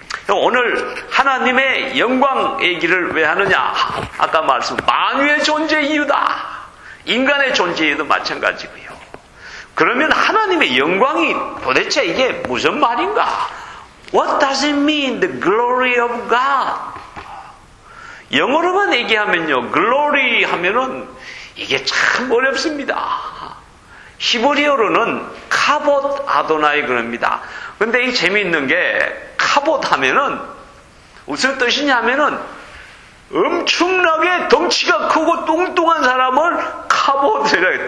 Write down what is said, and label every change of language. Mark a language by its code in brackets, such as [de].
[ko] 오늘 하나님의 영광 얘기를 왜 하느냐? 아까 말씀 만유의 존재 이유다. 인간의 존재 이유도 마찬가지고요. 그러면 하나님의 영광이 도대체 이게 무슨 말인가? [en] What does it mean, the glory of God? [ko] 영어로만 얘기하면요. glory 하면은 이게 참 어렵습니다. 히브리어로는 카봇 아도나이 그럽니다. 근데 이 재미있는 게 카봇 하면은 무슨 뜻이냐면은 엄청나게 덩치가 크고 뚱뚱한 사람을 카봇이라 해요.